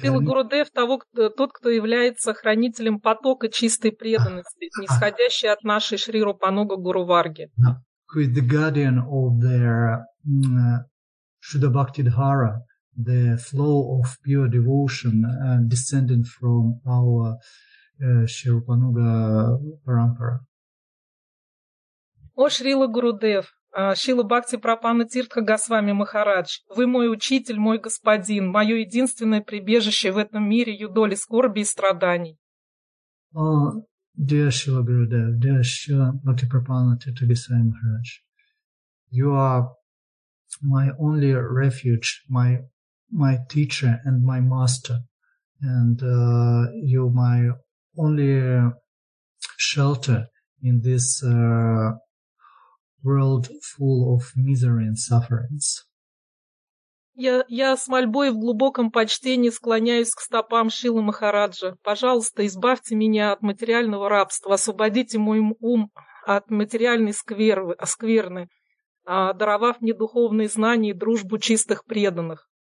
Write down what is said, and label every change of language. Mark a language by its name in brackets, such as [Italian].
[Russian] хранителем Шрила Гурудев, тот, кто является хранителем потока чистой преданности, нисходящей от нашей Шри Рупануга Гуру Варги. [English] Who is the guardian of their Shuddha Bhakti Dhara, the flow of pure devotion descending from our Shri Rupanuga Parampara. [Russian] О, Шрила Гурудев, Шрила Бхакти Прапана Тиртха Госвами Махарадж, вы мой учитель, мой господин, мое единственное прибежище в этом мире юдоли скорби и страданий. [English] Dear Srila Gurudev, dear Srila Bhakti Prapana Titta Gosai Maharaj, you are my only refuge, my teacher and my master, and you are my only shelter in this world full of misery and sufferings. [Russian] Я с мольбой в глубоком почтении склоняюсь к стопам Шрилы Махараджа. Пожалуйста, избавьте меня от материального рабства, освободите мой ум от материальной скверны, даровав мне духовные знания и дружбу чистых преданных.